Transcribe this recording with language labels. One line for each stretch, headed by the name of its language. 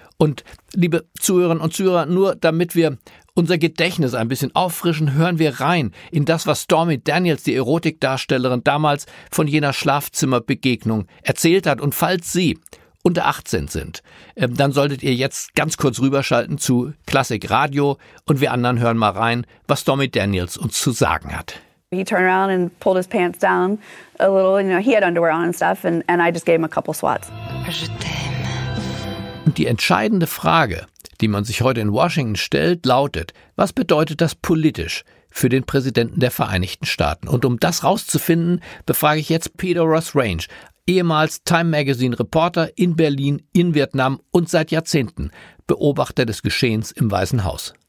German: Und liebe Zuhörerinnen und Zuhörer, nur damit wir unser Gedächtnis ein bisschen auffrischen, hören wir rein in das, was Stormy Daniels, die Erotikdarstellerin, damals von jener Schlafzimmerbegegnung erzählt hat. Und falls Sie unter 18 sind, dann solltet ihr jetzt ganz kurz rüberschalten zu Klassik Radio und wir anderen hören mal rein, was Stormy Daniels uns zu sagen hat.
English: He turned around and pulled his pants down a little, you know, he had underwear on and stuff, and I just gave him a couple swats.
French: Je t'aime.
German: Und die entscheidende Frage, die man sich heute in Washington stellt, lautet: Was bedeutet das politisch für den Präsidenten der Vereinigten Staaten? Und um das rauszufinden, befrage ich jetzt Peter Ross Range, ehemals Time Magazine Reporter in Berlin, in Vietnam und seit Jahrzehnten Beobachter des Geschehens im Weißen Haus.